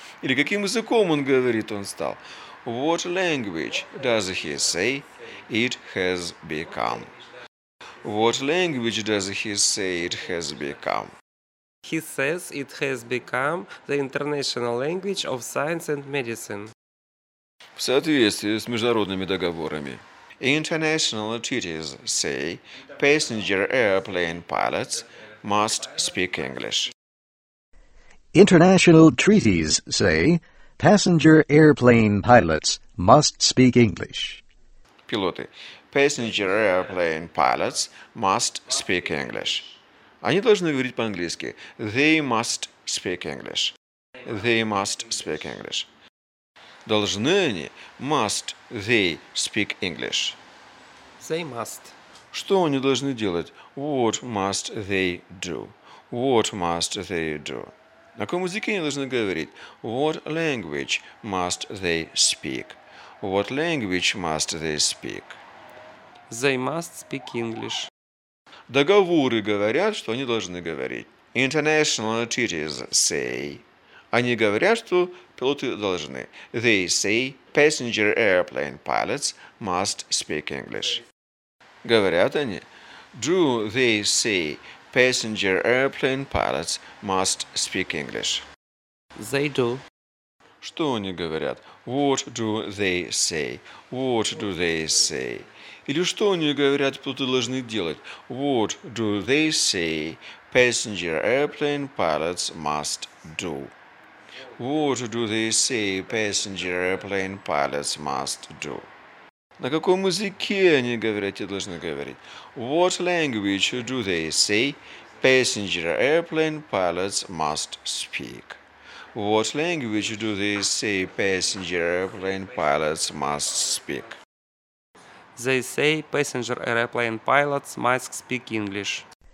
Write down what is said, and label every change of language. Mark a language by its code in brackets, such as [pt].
[ru] Или каким языком он говорит, он стал? [en] What language does he say it has become? What language does he say it has become? He says it has become the international language of science and medicine. [ru] В соответствии с международными договорами. [en] International treaties say passenger airplane pilots must speak English. International treaties say passenger airplane pilots must speak English. [ru] Пилоты. [en] Passenger airplane pilots must speak English. [ru] Они должны говорить по-английски. [en] They must speak English. They must speak English. [ru] Должны они. [en] Must they speak English? They must. [ru] Что они должны делать? [en] What must they do? What must they do? [ru] На каком языке они должны говорить? [en] What language must they speak? What language must they speak? They must speak English. [ru] Договоры говорят, что они должны говорить. [en] International treaties say. [ru] Они говорят, что пилоты должны. [en] They say passenger airplane pilots must speak English. [ru] Говорят они. [en] Do they say passenger airplane pilots must speak English? They do. [ru] Что они говорят? [en] What do they say? What do they say? [ru] Или что они говорят, что ты должны делать? [en] What do they say passenger airplane pilots must do? What do they say passenger airplane pilots must do? [ru] На каком языке они говорят, тебе должны говорить? [en] What language do they say passenger airplane pilots must speak? What language do they say passenger airplane pilots must speak? They say passenger airplane pilots must speak English.